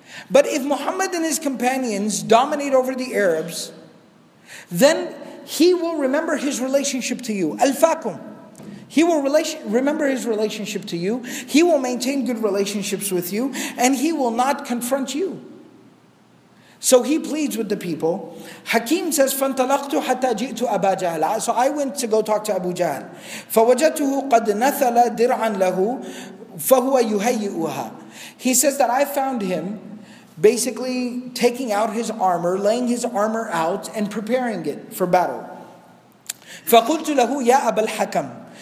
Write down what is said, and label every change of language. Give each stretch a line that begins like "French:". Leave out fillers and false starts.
English: But if Muhammad and his companions dominate over the Arabs, then he will remember his relationship to you. Al-Fakum. He will remember his relationship to you. He will maintain good relationships with you. And he will not confront you. So he pleads with the people. Hakim says,
Arabic: فَانْتَلَقْتُ حَتَّى جِئْتُ أَبَا جَهْلًا.
English: So I went to go talk to Abu Jahl.
Arabic: فَوَجَتُهُ قَدْ نَثَلَ دِرْعًا لَهُ فَهُوَ يُهَيِّئُهَا.
English: He says that I found him basically taking out his armor, laying his armor out and preparing it for battle.
Arabic: فَقُلْتُ لَهُ يَا أَبَا الْحَكَمُ.